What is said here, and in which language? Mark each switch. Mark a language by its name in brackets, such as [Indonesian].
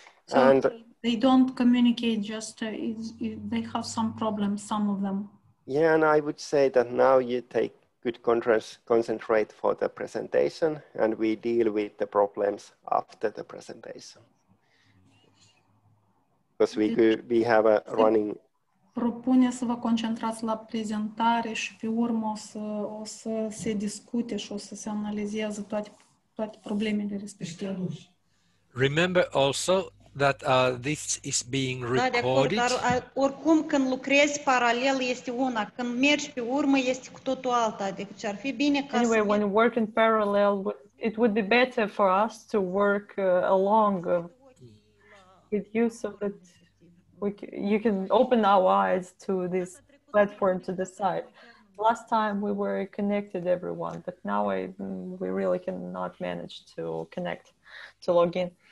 [English] so and they don't communicate, just they have some problems, some of them. Yeah, and I would say that now you take good concentrate for the presentation and we deal with the problems after the presentation. Because we have a running... [Romanian] Propune să vă concentrați la prezentare și pe urmă o să se discute și o să se analizeze toate problemele respective. [English] Remember also that this is being recorded. [Romanian] Da, de acord, dar oricum când lucrezi paralel este una, când mergi pe urmă este cu totul alta. Adică ce ar fi bine ca [English] anyway, when you work in parallel, it would be better for us to work along with you so that you can open our eyes to this platform, to the site. Last time we were connected, everyone, but now we really cannot manage to connect, to log in.